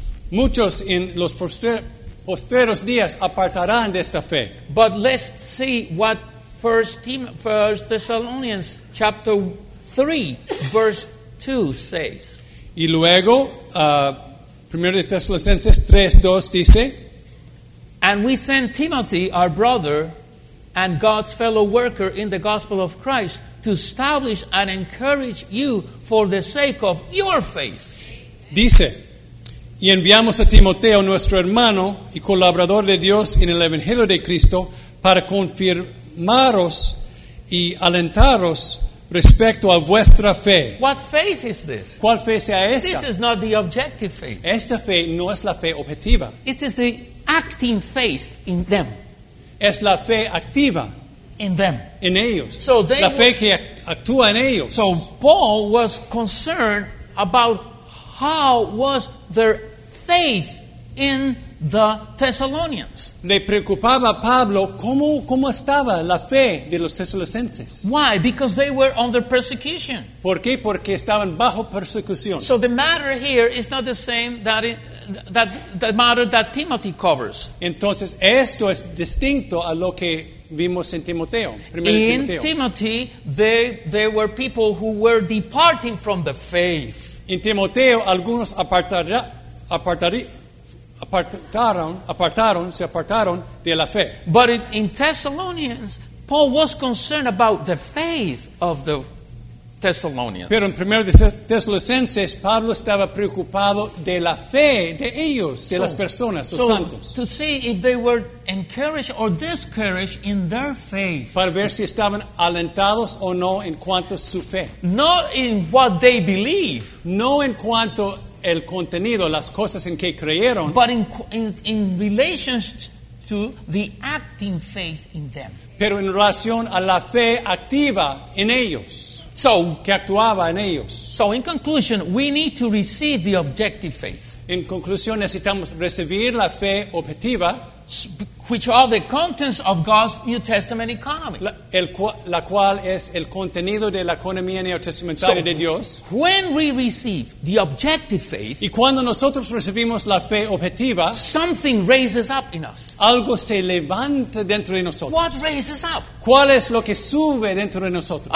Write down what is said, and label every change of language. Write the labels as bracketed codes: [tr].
[es] Muchos en los posteriores días apartarán de esta fe. [en] But let's see what First Thessalonians chapter 3, verse 2 says. [es] Y luego, Primero de Tesalonicenses 3:2 dice. [en] And we send Timothy, our brother, and God's fellow worker in the gospel of Christ, to establish and encourage you for the sake of your faith. [es] Dice, y enviamos a Timoteo, nuestro hermano y colaborador de Dios en el Evangelio de Cristo, para confirmaros y alentaros respecto a vuestra fe. [en] What faith is this? [es] ¿Cuál fe sea esta? [en] This is not the objective faith. [es] Esta fe no es la fe objetiva. [en] It is the acting faith in them. [es] Es la fe activa. [en] In them. [es] En ellos. [en] So they [es] la fe que actúa en ellos. [en] So Paul was concerned about how was their faith in the Thessalonians. [es] Le preocupaba a Pablo cómo estaba la fe de los tesalonicenses. [en] Why? Because they were under persecution. [es] ¿Por qué? Porque estaban bajo persecución. [en] So the matter here is not the same that it, that the matter that Timothy covers. [es] Entonces esto es distinto a lo que vimos en Timoteo. [en] In Timothy, there were people who were departing from the faith. [es] En Timoteo, algunos apartaron de la fe. [en] But in Thessalonians, Paul was concerned about the faith of the Thessalonians. [es] Pero en Primero de Tesalonicenses, Pablo estaba preocupado de la fe de ellos, de las personas, los santos. [en] To see if they were encouraged or discouraged in their faith. [es] Para ver si estaban alentados o no en cuanto a su fe. [en] Not in what they believe. [es] No en cuanto el contenido, las cosas en que creyeron. [en] But in relation to the acting faith in them. [es] Pero en relación a la fe activa en ellos. [en] So, [es] que actuaba en ellos. [en] So in conclusion, we need to receive the objective faith. [es] En conclusión, necesitamos recibir la fe objetiva, [en] which are the contents of God's New Testament economy. [es] La cual es el contenido de la economía neotestamentaria de Dios. [en] When we receive the objective faith, [es] y cuando nosotros recibimos la fe objetiva, [en] something raises up in us. [es] Algo se levanta dentro de nosotros. [en] What raises up? [es] ¿Cuál es lo que sube dentro de nosotros?